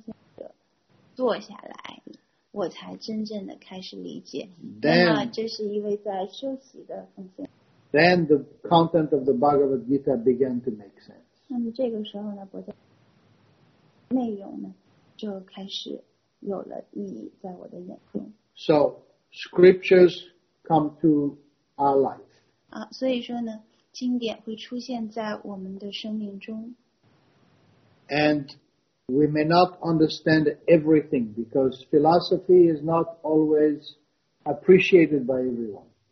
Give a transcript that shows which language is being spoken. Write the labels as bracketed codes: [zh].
[zh] 直至后来当我跟一个奉献者坐下来, 我才真正的开始理解, [en] then the content of the Bhagavad Gita began to make sense. [zh] 那么这个时候呢, 我的内容呢, 就开始有了意义在我的眼中。 [en] So, scriptures come to our life. [zh] 所以说呢, 经典会出现在我们的生命中。 [en] And we may not understand everything because philosophy is not always appreciated by everyone.